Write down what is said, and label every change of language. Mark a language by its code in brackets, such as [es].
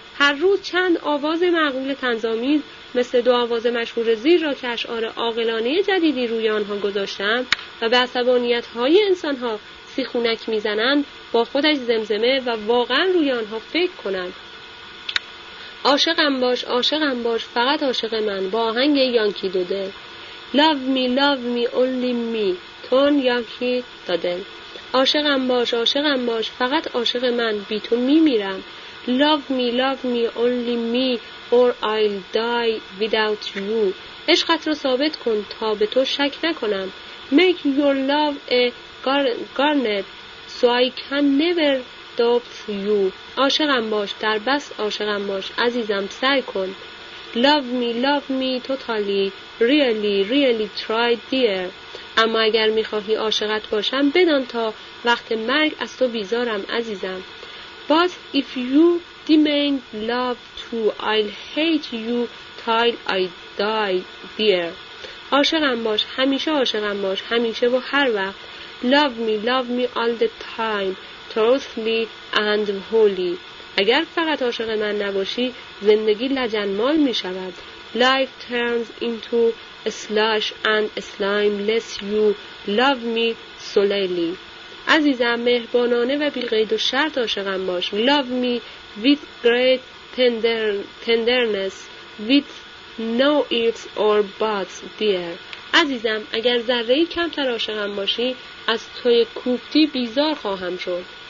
[fa] هر روز چند آواز معقول طنزآمیز مثل دو آواز مشهور زیر را که اشعار عاقلانه جدیدی روی آنها گذاشتم و به عصبانیت های انسان ها سیخونک می زنند با خودش زمزمه و واقعا روی آنها فکر کنند. عاشقم باش، عاشقم باش، فقط عاشق من، با آهنگ یانکی دودل. [en] Love me, love me, only me. Tune Yankee Doodle. [fa] عاشقم باش، عاشقم باش، فقط عاشق من، بی تو می میرم. [en] Love me, only me, or I'll die without you. [fa] عشقت رو ثابت کن تا به تو شک نکنم. [en] Make your love a garnet so I can never doubt you. [fa] عاشقم باش، در بس عاشقم باش، عزیزم سعی کن. [en] Love me totally, really, really try dear. [fa] اما اگر میخواهی عاشقت باشم، بدان تا وقت مرگ از تو بیزارم عزیزم. [en] But if you demand love too, I'll hate you till I die, dear. [fa] عاشقم باش، همیشه عاشقم باش، همیشه و هر وقت. [en] Love me all the time, truthfully and wholly. [fa] اگر فقط عاشق من نباشی، زندگی لجنمال می شود. [en] Life turns into a slush and slime unless you love me solely. [fa] عزیزم مهربانانه و بیقید و شرط عاشقم باش. [en] Love me with great tenderness, with no ifs or buts, dear. [fa] عزیزم اگر ذره‌ای کمتر عاشقم باشی، از توی کوفتی بیزار خواهم شد.